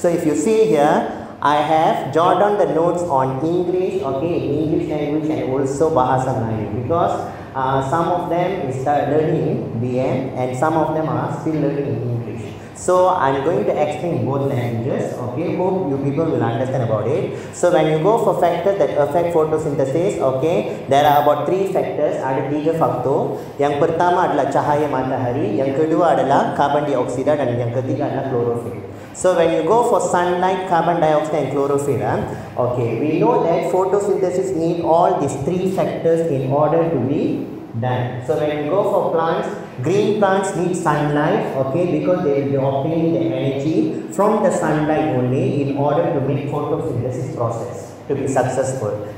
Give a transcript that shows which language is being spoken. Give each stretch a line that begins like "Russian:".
English: So if you see here, I have jot down the notes on English, okay, English language and also Bahasa Melayu, because some of them start learning BM and some of them are still learning English. So I'm going to explain both languages, okay, hope you people will understand about it. So when you go for factors that affect photosynthesis, okay, there are about three factors,
Malay: ada tiga faktor. Yang pertama adalah cahaya matahari, yang kedua adalah carbon dioxide dan yang ketiga adalah chlorophyll.
English: So when you go for sunlight, carbon dioxide and chlorophyll, okay, we know that photosynthesis need all these three factors in order to be done. So when you go for plants, green plants need sunlight, okay, because they will be obtaining the energy from the sunlight only in order to make photosynthesis process to be successful.